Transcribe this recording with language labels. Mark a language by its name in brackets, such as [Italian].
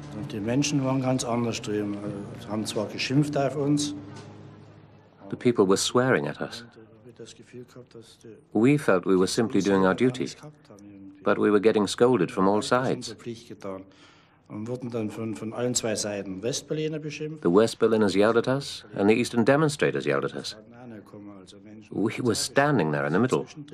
[German] Die Menschen waren ganz anders drüben. Sie haben zwar geschimpft auf uns. [English] The people were swearing at us. We felt we were simply doing our duty, but we were getting scolded from all sides. [German] Und wurden dann von allen zwei Seiten Westberliner beschimpft. [English] The West Berliners yelled at us, and the Eastern demonstrators yelled at us. We were standing there in the middle.